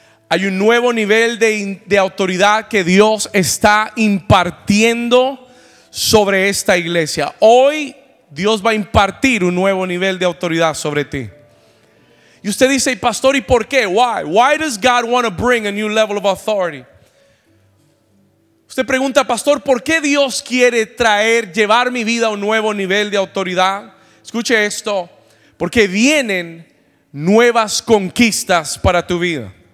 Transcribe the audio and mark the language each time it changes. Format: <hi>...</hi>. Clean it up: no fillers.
<es>Hay un nuevo nivel de autoridad que Dios está impartiendo sobre esta iglesia. Hoy Dios va a impartir un nuevo nivel de autoridad sobre ti. Y usted dice: pastor, ¿y por qué?</es> <en>Why? Why does God want to bring a new level of authority?</en> <es>Usted pregunta: pastor, ¿por qué Dios quiere traer, llevar mi vida a un nuevo nivel de autoridad? Escuche esto: porque vienen nuevas conquistas para tu vida.</es>